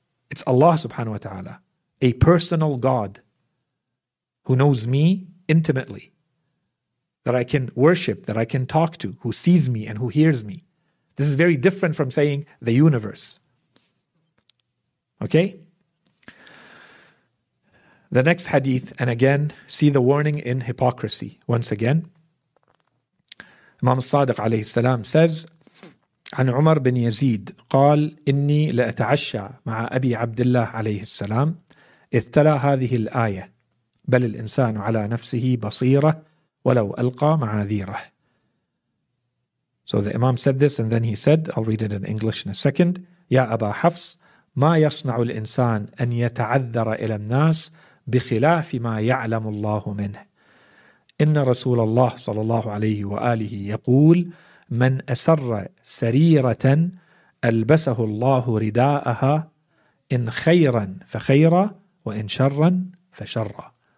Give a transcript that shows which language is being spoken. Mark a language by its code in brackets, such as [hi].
[en] It's Allah subhanahu wa ta'ala, a personal God who knows me intimately, that I can worship, that I can talk to, who sees me and who hears me. This is very different from saying the universe. Okay? The next hadith, and again, see the warning in hypocrisy. Once again, Imam Sadiq alayhi salam says, [ar] عن عمر بن يزيد قال إني لأتعشى مع أبي عبد الله عليه السلام إذ تلا هذه الآية بل الإنسان على نفسه بصيرة ولو ألقى معاذيره. [en] So the Imam said this, and then he said, I'll read it in English in a second. [ar] يا أبا حفص ما يصنع الإنسان أن يتعذر إلى الناس بخلاف ما يعلم الله منه إن رسول الله صلى الله عليه وآله يقول من أسر سريرة ألبسه الله رداءها إن خيرا فخيرا وإن شرا فشرا.